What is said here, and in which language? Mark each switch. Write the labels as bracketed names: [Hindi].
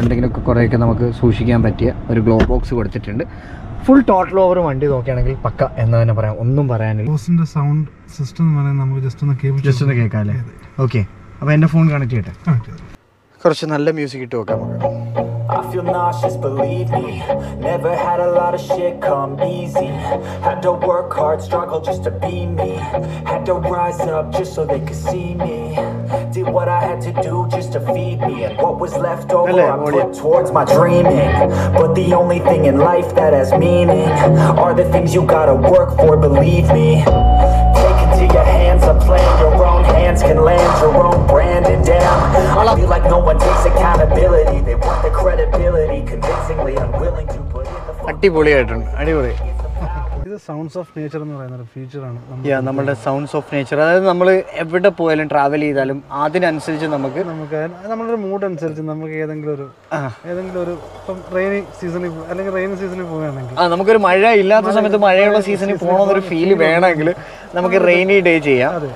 [Malayalam] എന്തെങ്കിലുമൊക്കെ കുറേയൊക്കെ നമുക്ക് സൂക്ഷിക്കാൻ പറ്റിയ ഒരു ഗ്ലോ ബോക്സ് കൊടുത്തിട്ടുണ്ട്. ഫുൾ ടോട്ടൽ ഓവർ വണ്ടി നോക്കുകയാണെങ്കിൽ പക്ക എന്ന് തന്നെ പറയാം. ഒന്നും പറയാനില്ല. ബോസിന്റെ സൗണ്ട് സിസ്റ്റം നമുക്ക് ജസ്റ്റ് ഒന്ന് കേൾക്കാം അല്ലേ. ഓക്കെ, അപ്പൊ എന്റെ ഫോൺ കണക്ട് ചെയ്യട്ടെ, കുറച്ച് നല്ല മ്യൂസിക് ഇട്ട് നോക്കാം. [English] I feel nauseous, believe me. Never had a lot of shit come easy. Had to work hard, struggle just to be me. Had to rise up just so they could see me. Did what I had to do just to feed me. And what was left over I put towards my dreaming. But the only thing in life that has meaning are the things you gotta work for, believe me. Take into your hands a plan. Your own hands can land your own brand. And damn, I feel like no one takes accountability. They want the credibility, convincingly unwilling to put in the fuck. [Malayalam] Adipoli aayittund, adipoli. Sounds of nature എന്ന് പറയുന്ന ഒരു ഫീച്ചറാണ് നമ്മുടെ sounds of nature. അതായത് നമ്മൾ എവിടെ പോയാലും travel ചെയ്താലും അതിനനുസരിച്ച് നമുക്ക് നമ്മളൊരു മൂഡ് അനുസരിച്ച് നമുക്ക് ഏതെങ്കിലും ഒരു ഇപ്പം റെയിനി സീസണിൽ അല്ലെങ്കിൽ റെയിനി സീസണിൽ പോവുകയാണെങ്കിൽ നമുക്കൊരു മഴ ഇല്ലാത്ത സമയത്ത് മഴയുള്ള സീസണിൽ പോകണമെന്നൊരു ഫീൽ വേണമെങ്കിൽ നമുക്ക് റെയിനി ഡേ ചെയ്യാം.